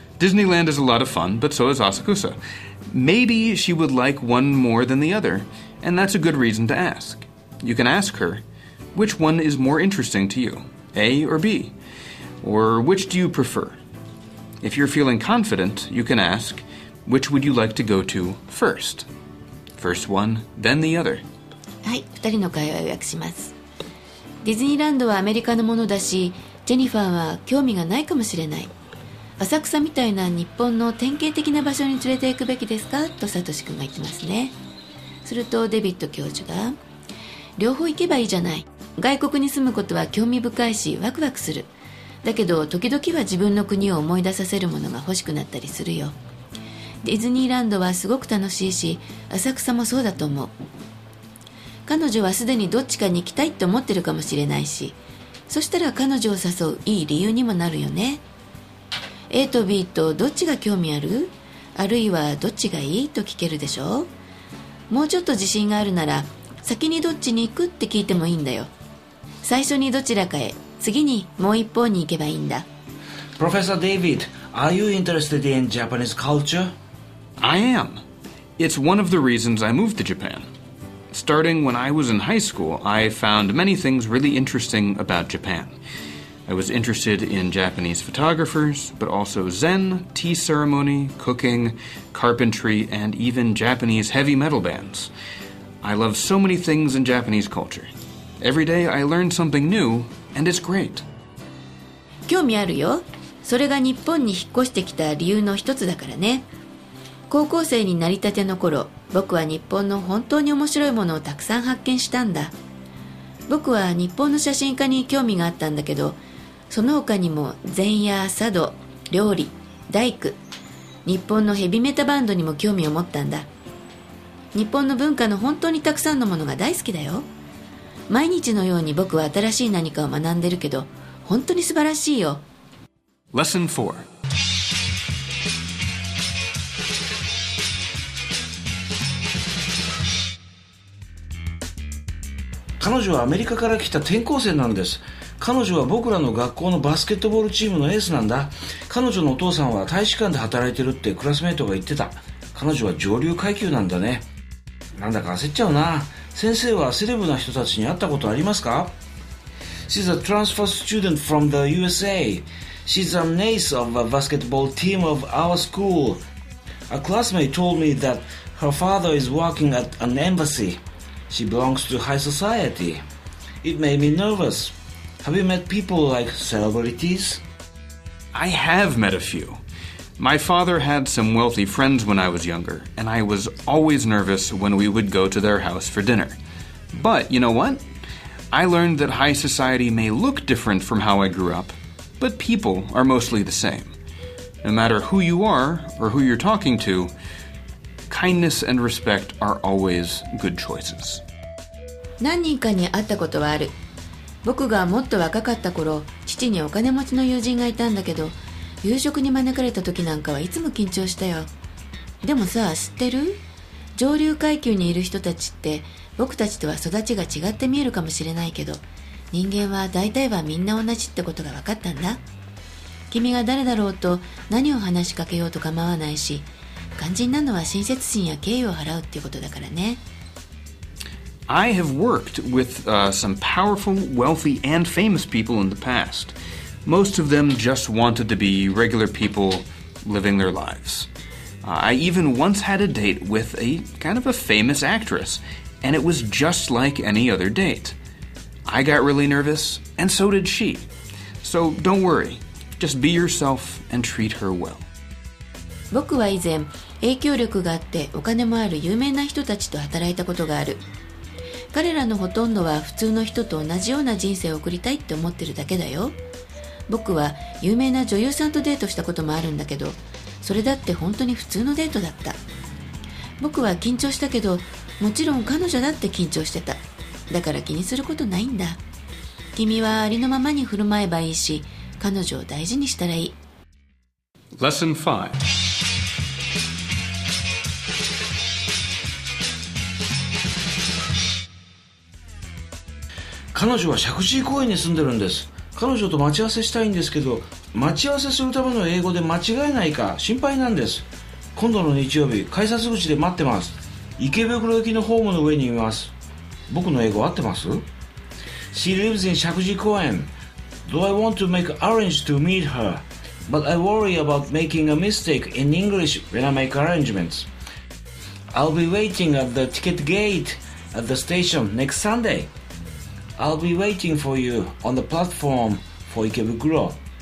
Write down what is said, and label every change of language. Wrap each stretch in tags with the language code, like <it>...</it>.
<en>Disneyland is a lot of fun, but so is Asakusa. Maybe she would like one more than the other, and that's a good reason to ask. You can ask her, which one is more interesting to you, A or B? Or which do you prefer? If you're feeling confident, you can ask, which would you like to go to first? First one, then the other.</en> <ja>はい、2人の会話を訳します。ディズニーランドはアメリカのものだし、ジェニファーは興味がないかもしれない。浅草みたいな日本の典型的な場所に連れて行くべきですか、とサトシ君が言ってますね。するとデビッド教授が、両方行けばいいじゃない。外国に住むことは興味深いしワクワクする。だけど時々は自分の国を思い出させるものが欲しくなったりするよ。ディズニーランドはすごく楽しいし、浅草もそうだと思う。彼女はすでにどっちかに行きたいと思ってるかもしれないし、そしたら彼女を誘ういい理由にもなるよね。 A と B とどっちが興味ある、あるいはどっちがいい、と聞けるでしょ。もうちょっと自信があるなら、先にどっちに行くって聞いてもいいんだよ。最初にどちらかへ、次にもう一方に行けばいいんだ。</ja> <en>Professor David, are you interested in Japanese culture? I am. It's one of the reasons I moved to Japan. Starting when I was in high school, I found many things really interesting about Japan. I was interested in Japanese photographers, but also Zen, tea ceremony, cooking, carpentry, and even Japanese heavy metal bands. I love so many things in Japanese culture. Every day I learn something new, and it's great.</en> <ja>興味あるよ。それが日本に引っ越してきた理由の一つだからね。高校生になりたての頃、僕は日本の本当に面白いものをたくさん発見したんだ。僕は日本の写真家に興味があったんだけど、その他にも禅や茶道、料理、大工、日本のヘビメタバンドにも興味を持ったんだ。日本の文化の本当にたくさんのものが大好きだよ。毎日のように僕は新しい何かを学んでるけど、本当に素晴らしいよ。</ja> <en>Lesson</en> <ja>4。 彼女はアメリカから来た転校生なんです。彼女は僕らの学校のバスケットボールチームのエースなんだ。彼女のお父さんは大使館で働いてるってクラスメートが言ってた。彼女は上流階級なんだね。なんだか焦っちゃうな。先生はセレブな人たちに会ったことありますか？</ja> <en>She's a transfer student from the USA. She's an ace of a basketball team of our school. A classmate told me that her father is working at an embassy. She belongs to high society. It made me nervous. Have you met people like celebrities? I have met a few. My father had some wealthy friends when I was younger, and I was always nervous when we would go to their house for dinner. But you know what? I learned that high society may look different from how I grew up, but people are mostly the same. No matter who you are or who you're talking to, kindness and respect are always good choices.</en> <ja>何人かに会ったことはある。僕がもっと若かった頃、父にお金持ちの友人がいたんだけど、夕食に招かれた時なんかはいつも緊張したよ。でもさ、知ってる？上流階級にいる人たちって僕たちとは育ちが違って見えるかもしれないけど、人間は大体はみんな同じってことが分かったんだ。君が誰だろうと何を話しかけようと構わないし、肝心なのは親切心や敬意を払うっていうことだからね。</ja> <en>I have worked with some powerful, wealthy, and famous people in the past. Most of them just wanted to be regular people living their lives. I even once had a date with a kind of a famous actress, and it was just like any other date. I got really nervous, and so did she. So don't worry, just be yourself and treat her well.</en> <ja>僕は以前、影響力があってお金もある有名な人たちと働いたことがある。彼らのほとんどは普通の人と同じような人生を送りたいって思ってるだけだよ。僕は有名な女優さんとデートしたこともあるんだけど、それだって本当に普通のデートだった。僕は緊張したけど、もちろん彼女だって緊張してた。だから気にすることないんだ。君はありのままに振る舞えばいいし、彼女を大事にしたらいい。</ja> <en>Lesson 5。</en> <ja>彼女は石神公園に住んでるんです。彼女と待ち合わせしたいんですけど、待ち合わせするための英語で間違えないか心配なんです。今度の日曜日、改札口で待ってます。池袋駅のホームの上にいます。僕の英語合ってます？</ja> <en>She lives in</en> <ja>石神公園。</ja> <en>Though I want to make arrange to meet her, but I worry about making a mistake in English when I make arrangements. I'll be waiting at the ticket gate at the station next SundayI'll be waiting for you on the platform for Ikebukuro.</en>